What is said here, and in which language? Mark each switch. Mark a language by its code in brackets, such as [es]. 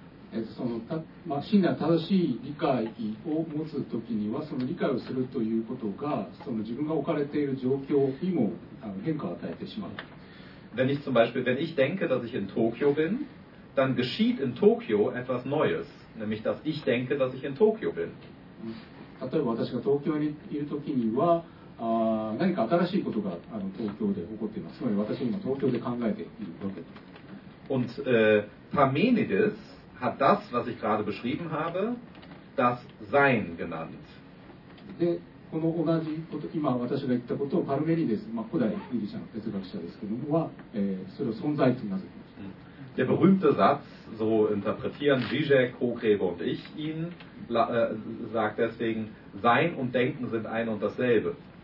[de] Wenn ich zum Beispiel, wenn ich denke, dass ich in Tokio bin, dann geschieht in Tokio etwas Neues, nämlich dass ich denke, dass ich in Tokio bin. [ja] 例えば私が東京にいるときには何か新しいことが東京で起こっています。つまり私は今東京で考えているわけです。 [de] Und Parmenides hat das, was ich gerade beschrieben habe, das Sein genannt. [ja] で、この同じこと、今私が言ったことをパルメニデス、まあ、古代ギリシャの哲学者ですけれども、それを存在と名付けました。 [de] Der berühmte Satz, so interpretieren Žižek, Hochrebe und ich ihn,sagt deswegen, Sein und Denken sind ein und dasselbe.